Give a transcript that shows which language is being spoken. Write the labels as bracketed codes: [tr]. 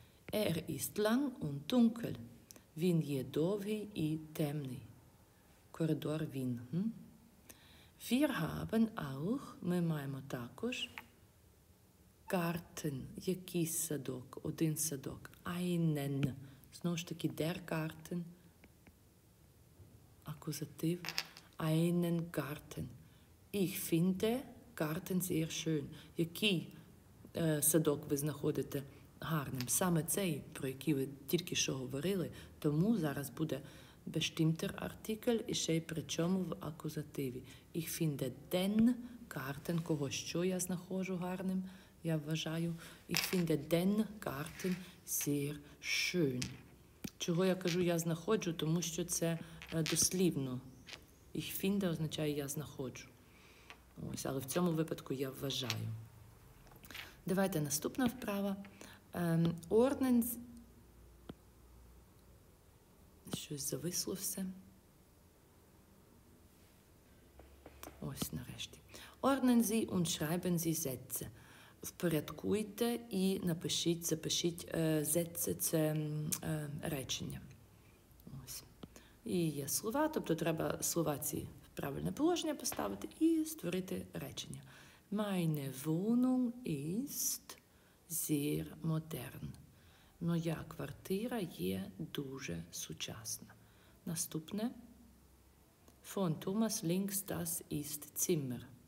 [de] Er ist lang und dunkel. [uk] Він є довгий і темний. Коридор він. [de] Wir haben auch, [uk] ми маємо також, Garten, якийсь садок, один садок. [de] Einen. [uk] Знову ж таки, der Garten. [de] Акузатив. Einen Garten. Ich finde Garten sehr schön. [uk] Який садок ви знаходите гарним? Саме цей, про який ви тільки що говорили. Тому зараз буде bestimmter Artikel і ще й при чому в акузативі. [de] Ich finde den Garten, [uk] кого що я знаходжу гарним, я вважаю. [de] Ich finde den Garten sehr schön. [uk] Чого я кажу я знаходжу? Тому що це дослівно. [de] Ich finde [uk] означає я знаходжу. Ось, але в цьому випадку я вважаю. Давайте наступна вправа. Орден. Щось зависло все. Ось нарешті. [de] Ordnen Sie und schreiben Sie Sätze. [uk] Впорядкуйте і напишіть, запишіть Sätze, це речення. Ось. І є слова, тобто треба слова ці в правильне положення поставити і створити речення. [de] Meine Wohnung ist sehr modern. [uk] Моя квартира є дуже сучасна. Наступне. [de] Von Thomas links das ist Zimmer.